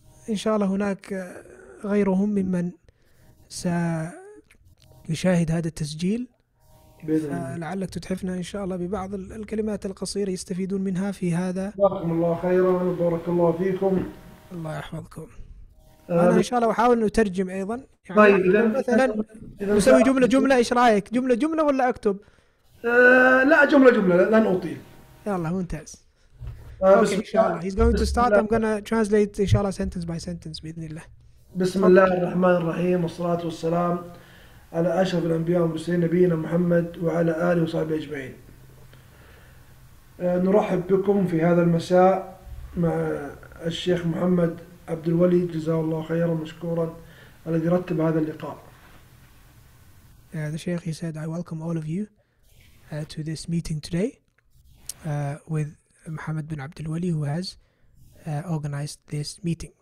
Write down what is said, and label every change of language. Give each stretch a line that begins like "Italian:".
Arabic: إن شاء الله هناك غيرهم ممن سيشاهد هذا التسجيل لعلك تتحفنا إن شاء الله ببعض الكلمات القصيرة يستفيدون منها في هذا. جزاكم الله خيرا وبارك الله فيكم. الله يحفظكم. أنا إن شاء الله أحاول أن أترجم أيضا يعني. طيب إذن مثلاً إذن نسوي جملة جملة. إيش رأيك جملة جملة ولا أكتب؟ لا جملة جملة لن أطيل. يلا ممتاز.
English: إن شاء الله he's going to start. I'm gonna translate إن شاء الله sentence by sentence بإذن الله.
Arabic: بسم الله الرحمن الرحيم والصلاة والسلام على أشرف الأنبياء والمرسلين نبينا محمد وعلى آله وصحبه أجمعين. نرحب بكم في هذا المساء مع الشيخ محمد عبد الولي جزاه الله خيرا مشكورا الذي رتب هذا اللقاء.
English: The Sheikh, he said, I welcome all of you to this meeting today with Muhammad bin Abdul Wali, who has organized this meeting.